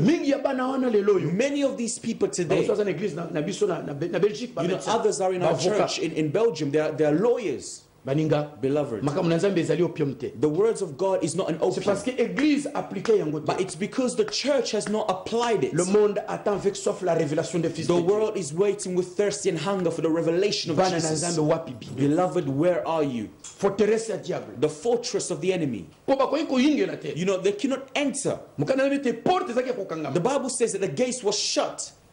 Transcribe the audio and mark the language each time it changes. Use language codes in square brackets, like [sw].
[en] Many of these people today, you know, others are in our church in Belgium. They are lawyers. Beloved, the words of God is not an opium. But it's because the church has not applied it. [fr] Le monde attend avec soif la révélation de Fils. [en] The world is waiting with thirsty and hunger for the revelation of Jesus. Beloved, where are you? [fr] Fortress à diable. [en] The fortress of the enemy. You know, they cannot enter. The Bible says that the gates were shut.